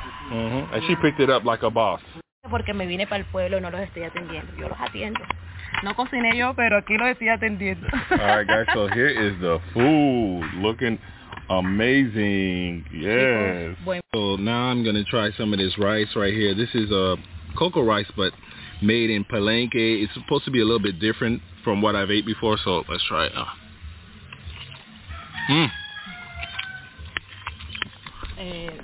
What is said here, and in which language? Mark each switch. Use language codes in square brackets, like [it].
[en] And she picked it up like a boss. [es] Porque me vine para el pueblo y no los estoy atendiendo. Yo los atiendo. No cociné yo, pero aquí los estoy atendiendo. [en] All right, guys, so here is the food. Looking amazing. Yes. So now I'm gonna try some of this rice right here. This is a cocoa rice, but made in Palenque. It's supposed to be a little bit different from what I've ate before, so let's try it.